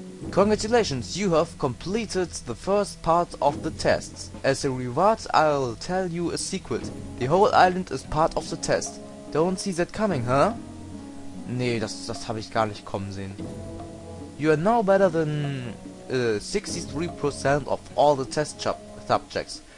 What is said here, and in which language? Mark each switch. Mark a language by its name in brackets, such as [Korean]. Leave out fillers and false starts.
[English] Congratulations, you have completed the first part of the test. As a reward, I'll tell you a secret. The whole island is part of the test. Don't see that coming, huh? [German] Nee, das habe ich gar nicht kommen sehen. [English] You are now better than 63% of all the test subjects.